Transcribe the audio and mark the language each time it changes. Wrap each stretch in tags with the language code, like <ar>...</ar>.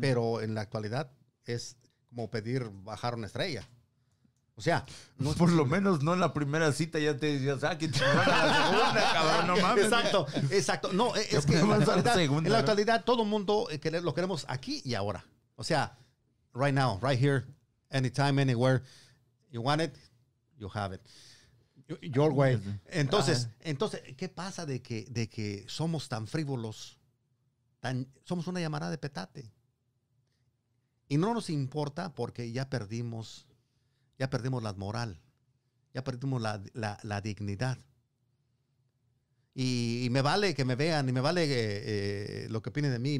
<es>Pero en la actualidad es como pedir bajar una estrella. O sea, no, por lo menos no en la primera cita ya te decías, ah, que te van a la segunda, cabrón, no mames. Exacto. No, es que en la actualidad todo mundo lo queremos aquí y ahora. O sea,</es> <en>right now, right here, anytime, anywhere, you want it, you have it. Your way.</en> <es>Entonces, ¿qué pasa de que somos tan frívolos? Somos una llamarada de petate. Y no nos importa porque ya perdimos la moral. Ya perdimos la dignidad. Y me vale que me vean, y me vale lo que opinen de mí.</es>